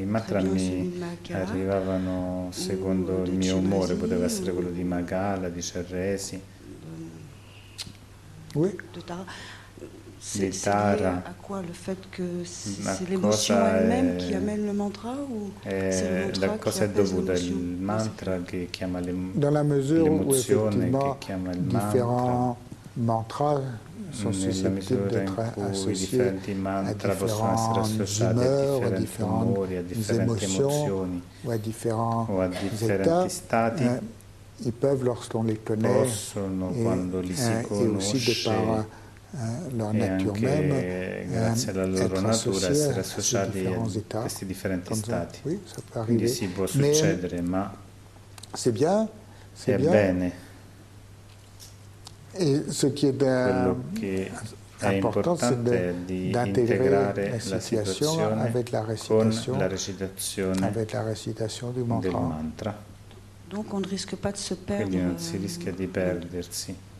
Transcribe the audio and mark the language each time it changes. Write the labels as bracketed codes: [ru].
[fr] être très bien celui de Magala, ou de Chirasi, [it] poteva essere quello di Magala, di Cerresi, [fr] oui. De Tara. C'est Tara. À quoi le fait que c'est l'émotion elle-même qui amène le mantra ou c'est [it] la cosa è dovuta il mantra che chiama [fr] dans la mesure où effectivement différents mantras sont susceptibles d'être associés à différentes humeurs, à différentes [it] umori, [fr] à émotions ou à différents états. Ils peuvent lorsqu'on les connaît et aussi de par leur nature même, [it] grazie alla loro natura essere associati a questi differenti stati. [fr] Oui, ça peut arriver. [it] Quindi si può succedere, ma [fr] c'est bien, c'est [it] è bene. [fr] Et ce qui est [it] quello che è importante è di integrare la situazione [fr] avec la [it] con la recitazione [fr] avec la recitation du mantra. [it] Del mantra. [fr] Donc on ne risque pas de se perdre, [it] quindi non si rischia di perdersi.